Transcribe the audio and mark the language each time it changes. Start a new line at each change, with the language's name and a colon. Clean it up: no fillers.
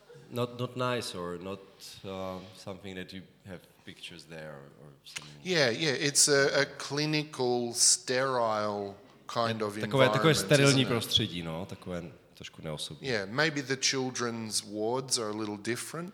English: Not nice or not something that you have pictures there or something. Yeah, yeah, it's a clinical sterile kind of environment.
Czech: Takové sterilní prostředí, no, takové trošku neosobní.
English: Yeah, maybe the children's wards are a little different.